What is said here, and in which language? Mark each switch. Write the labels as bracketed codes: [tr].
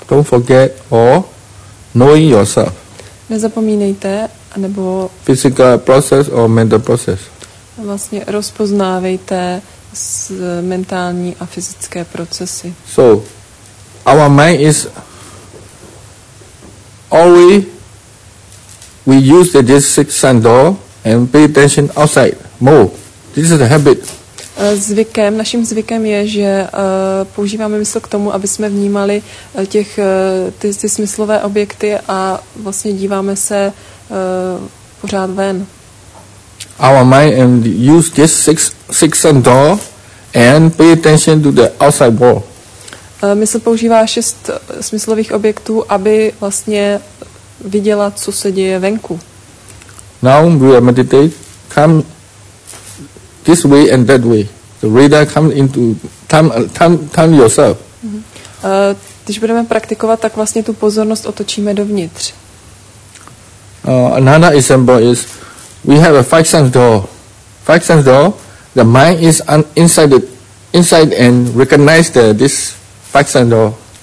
[en] Don't forget or knowing yourself. [cs] Nezapomínejte, nebo [en] physical process or mental process. [cs] Vlastně rozpoznávejte mentální a fyzické procesy. [en] So, our mind is always we use the six sense door and pay attention outside more. This is the habit. [cs] Naším zvykem je, že používáme mysl k tomu, aby jsme vnímali ty smyslové objekty a vlastně díváme se pořád ven. [en] Our mind and use this six sense door and pay attention to the outside world. [cs] Mysl používá šest smyslových objektů, aby vlastně viděla, co se děje venku. [en] Now we are meditate, come this way and that way. The radar comes into time yourself. [cs] Když budeme praktikovat, tak vlastně tu pozornost otočíme dovnitř. [en] Another example is we have a five sense door. Five sense door, the mind is inside and recognize this five sense door.